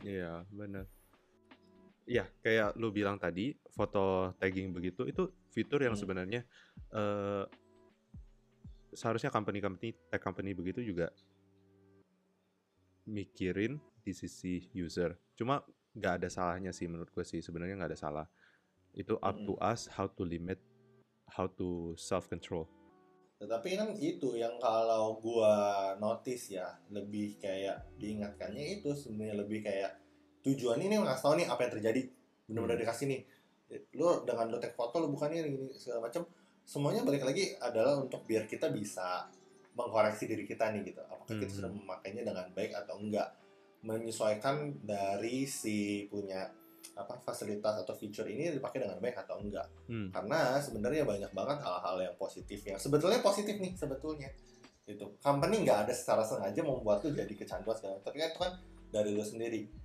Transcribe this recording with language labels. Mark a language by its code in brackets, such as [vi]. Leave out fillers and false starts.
[id] Iya benar. Ya, kayak lu bilang tadi, foto tagging begitu, itu fitur yang sebenarnya seharusnya company-company, tech company begitu juga mikirin di sisi user. Cuma gak ada salahnya sih menurut gue sih, sebenarnya gak ada salah. Itu [en] up to us how to limit, how to self-control. [id] Tetapi kan itu yang kalau gue notice ya, lebih kayak diingatkannya itu sebenarnya lebih kayak tujuan ini nggak tahu nih apa yang terjadi benar-benar dikasih nih lo dengan lo take foto lo bukannya ini segala macam semuanya balik lagi adalah untuk biar kita bisa mengkoreksi diri kita nih gitu apakah kita sudah memakainya dengan baik atau enggak menyesuaikan dari si punya apa fasilitas atau feature ini dipakai dengan baik atau enggak karena sebenarnya banyak banget hal-hal yang positif yang sebetulnya positif nih sebetulnya itu company nggak ada secara sengaja membuat lo jadi kecanduan segala macam tapi itu kan dari lo sendiri.